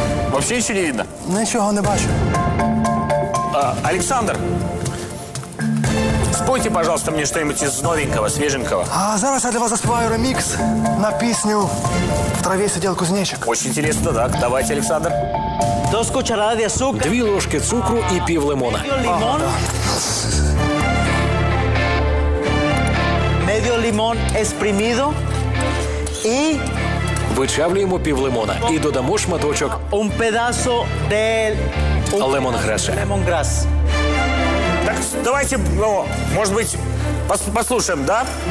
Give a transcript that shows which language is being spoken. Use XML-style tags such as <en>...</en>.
<ru>Вообще еще не видно? Ну, ничего не вижу. Александр, спойте, пожалуйста, мне что-нибудь из новенького, свеженького.</ru> <uk>А зараз я для вас заспеваю ремикс на песню «В траве сидел кузнечик».</uk> <ru>Очень интересно, да. Давайте, Александр.</ru> <es>Dos cucharadas de azúcar.</es> <uk>2 ложки цукру и пів лимона.</uk> <es>Medio limón exprimido y</es> <uk>вичавлюємо пів лимона і додамо шматочок</uk> <es>un pedazo de</es> <uk>лемонграса.</uk> <ru>Так, давайте, может быть, послушаем, да?</ru>